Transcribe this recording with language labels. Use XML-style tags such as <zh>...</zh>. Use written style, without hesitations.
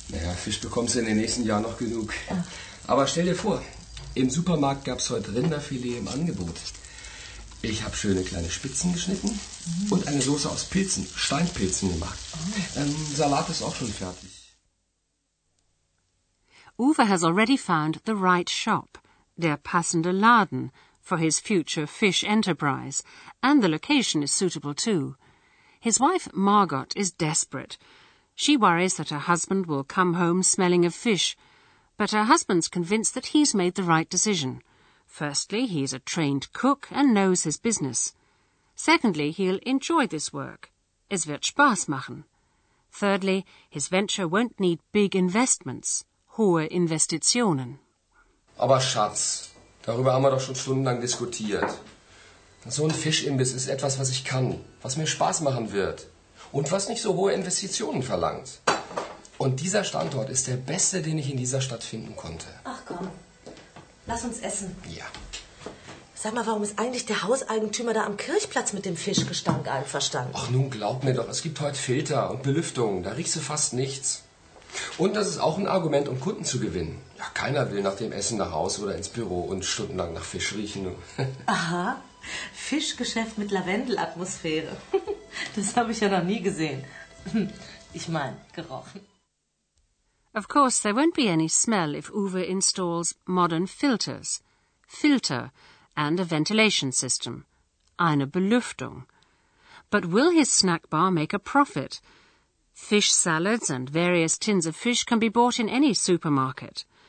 <de>Naja, Fisch bekommst du in den nächsten Jahren noch genug. Aber stell dir vor, im Supermarkt gab es heute Rinderfilet im Angebot. Ich habe schöne kleine Spitzen geschnitten und eine Soße aus Pilzen, Steinpilzen gemacht. Salat ist auch schon fertig.</de> <en>Uwe has already found the right shop,</en> <de>der passende Laden,</de> <en>for his future fish enterprise, and the location is suitable too. His wife Margot is desperate. She worries that her husband will come home smelling of fish, but her husband's convinced that he's made the right decision. Firstly, he's a trained cook and knows his business. Secondly, he'll enjoy this work.</en> <de>Es wird Spaß machen.</de> <en>Thirdly, his venture won't need big investments.</en> <de>Hohe Investitionen. Aber Schatz, darüber haben wir doch schon stundenlang diskutiert. So ein Fischimbiss ist etwas, was ich kann, was mir Spaß machen wird und was nicht so hohe Investitionen verlangt. Und dieser Standort ist der beste, den ich in dieser Stadt finden konnte. Ach komm, lass uns essen. Ja. Sag mal, warum ist eigentlich der Hauseigentümer da am Kirchplatz mit dem Fischgestank einverstanden? Ach nun, glaub mir doch, es gibt heute Filter und Belüftung, da riechst du fast nichts. Und das ist auch ein Argument, um Kunden zu gewinnen. Ja, keiner will nach dem Essen nach Hause oder ins Büro und stundenlang nach Fisch riechen. Aha, Fischgeschäft mit Lavendelatmosphäre. Das habe ich ja noch nie gesehen. Ich meine, gerochen.</de> <en>Of course, there won't be any smell if Uwe installs modern filters. Filter and a ventilation system.</en> <de>Eine Belüftung.</de> <en>But will his snack bar make a profit? Fish salads and various tins of fish can be bought in any supermarket.</en>